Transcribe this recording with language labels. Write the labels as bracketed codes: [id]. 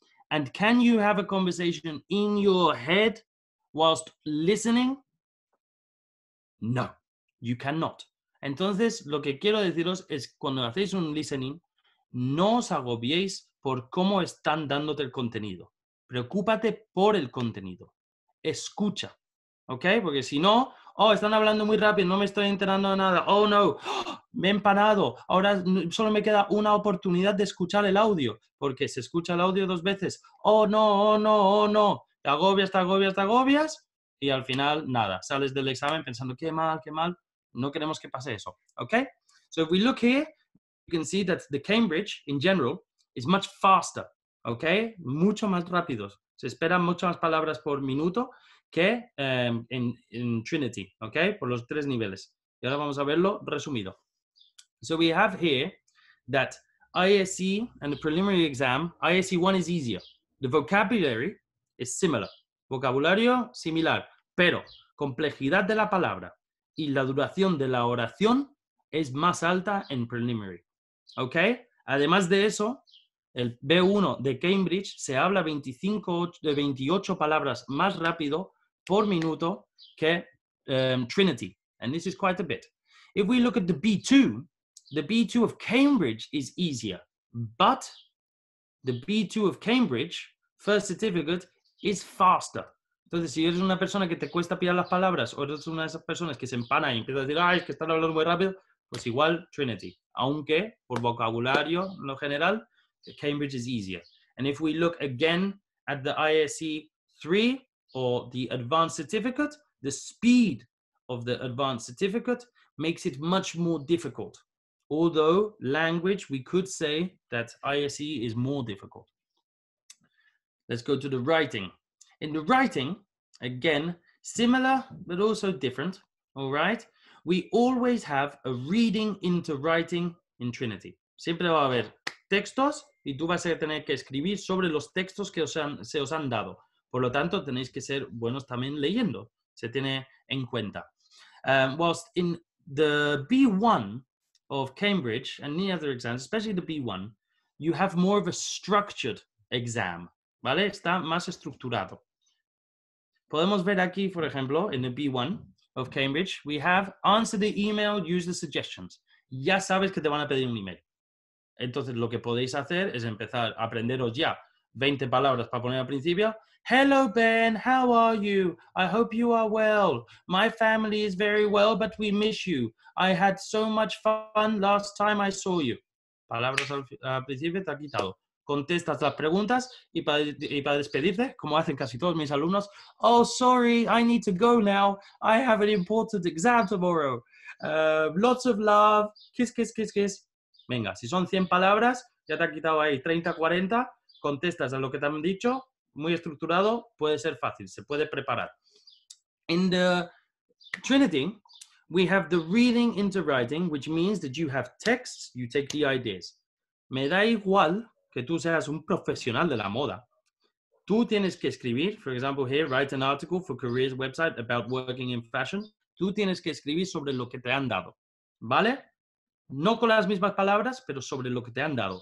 [en] And can you have a conversation in your head whilst listening? No, you cannot. [es] Entonces, lo que quiero deciros es, cuando hacéis un listening, no os agobiéis por cómo están dándote el contenido. Preocúpate por el contenido. Escucha, ¿ok? Porque si no, oh, están hablando muy rápido, no me estoy enterando de nada, oh, no, oh, me he empanado, ahora solo me queda una oportunidad de escuchar el audio, porque se escucha el audio dos veces, oh, no, oh, no, oh, no, te agobias, y al final, nada, sales del examen pensando, qué mal, No queremos que pase eso. Okay? [en] So if we look here, you can see that the Cambridge, in general, is much faster. [es] Okay? Mucho más rápido. Se esperan mucho más palabras por minuto que [en] in Trinity. [es] Okay? Por los tres niveles. Y ahora vamos a verlo resumido. [en] So we have here that ISE and the preliminary exam, ISE 1 is easier. The vocabulary is similar. [es] Vocabulario similar, pero complejidad de la palabra y la duración de la oración es más alta en preliminary. ¿Ok? Además de eso, el B1 de Cambridge se habla 28 palabras más rápido por minuto que Trinity. [en] And this is quite a bit. If we look at the B2, the B2 of Cambridge is easier, but the B2 of Cambridge, first certificate, is faster. [es] Entonces, si eres una persona que te cuesta pillar las palabras, o eres una de esas personas que se empana y empieza a decir, ay, es que están hablando muy rápido, pues igual Trinity. Aunque, por vocabulario en lo general, [en] Cambridge is easier. And if we look again at the ISE 3, or the advanced certificate, the speed of the advanced certificate makes it much more difficult. Although language, we could say that ISE is more difficult. Let's go to the writing. In the writing, again, similar but also different, all right? We always have a reading into writing in Trinity. [es] Siempre va a haber textos y tú vas a tener que escribir sobre los textos que se os han dado. Por lo tanto, tenéis que ser buenos también leyendo. Se tiene en cuenta. [en] Whilst in the B1, of Cambridge and the other exams, especially the B1, you have more of a structured exam, ¿vale? [es] Está más estructurado. Podemos ver aquí, [en] for example, in the B1 of Cambridge, we have answer the email, use the suggestions. [es] Ya sabes que te van a pedir un email. Entonces, lo que podéis hacer es empezar a aprenderos ya 20 palabras para poner al principio. [en] Hello, Ben, how are you? I hope you are well. My family is very well, but we miss you. I had so much fun last time I saw you. [es] Palabras al principio te ha quitado. Contestas las preguntas y para despedirte, como hacen casi todos mis alumnos, oh, [en] sorry, I need to go now. I have an important exam tomorrow. Lots of love. Kiss, kiss, kiss, kiss. [es] Venga, si son 100 palabras, ya te ha quitado ahí 30, 40. Contestas a lo que te han dicho. Muy estructurado, puede ser fácil, se puede preparar. [en] In the Trinity, we have the reading into writing, which means that you have texts, you take the ideas. [es] Me da igual que tú seas un profesional de la moda. Tú tienes que escribir, [en] for example, here, write an article for careers website about working in fashion. [es] Tú tienes que escribir sobre lo que te han dado, ¿vale? No con las mismas palabras, pero sobre lo que te han dado.